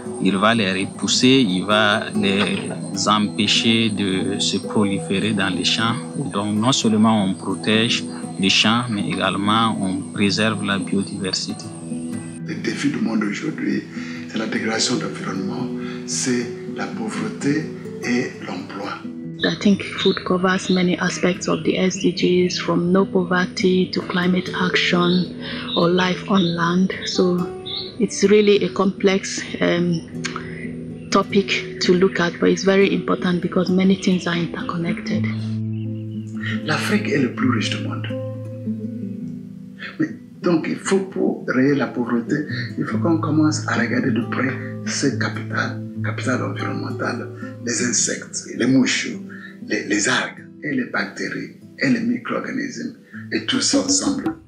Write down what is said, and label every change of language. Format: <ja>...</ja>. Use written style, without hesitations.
<fr>Il va les repousser, il va les empêcher de se proliférer dans les champs. Donc non seulement on protège les champs, mais également on préserve la biodiversité. Le défi du monde aujourd'hui, c'est la dégradation de l'environnement, c'est la pauvreté et l'emploi.</fr> <en>I think food covers many aspects of the SDGs, from no poverty to climate action or life on land. So it's really a complex topic to look at, but it's very important because many things are interconnected.</en> <fr>L'Afrique est le plus riche du monde. Donc il faut, pour rayer la pauvreté, il faut qu'on commence à regarder de près ce capital, capital environnemental, les insectes, les mouches, les algues, et les bactéries, et les micro-organismes, et tout ça ensemble.</fr>